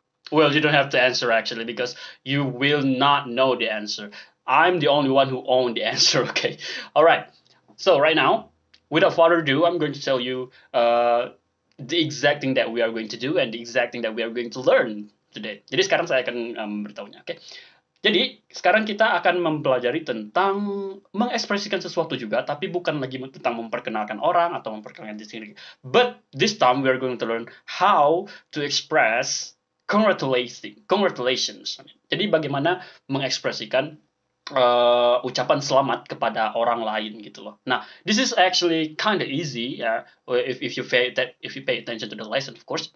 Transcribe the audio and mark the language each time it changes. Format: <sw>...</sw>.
<en>Well, you don't have to answer actually, because you will not know the answer. I'm the only one who owns the answer, okay? Alright, so right now, without further ado, I'm going to tell you the exact thing that we are going to do and the exact thing that we are going to learn today.</en> <id>Jadi sekarang saya akan beritahunya, oke?</id> <en>Okay?</en> <id>Jadi sekarang kita akan mempelajari tentang mengekspresikan sesuatu juga, tapi bukan lagi tentang memperkenalkan orang atau memperkenalkan diri sendiri.</id> <en>But this time we are going to learn how to express congratulations.</en> <id>Jadi bagaimana mengekspresikan ucapan selamat kepada orang lain gitu loh.</id> <en>Nah, this is actually kind of easy, yeah, if you pay attention to the lesson, of course.</en>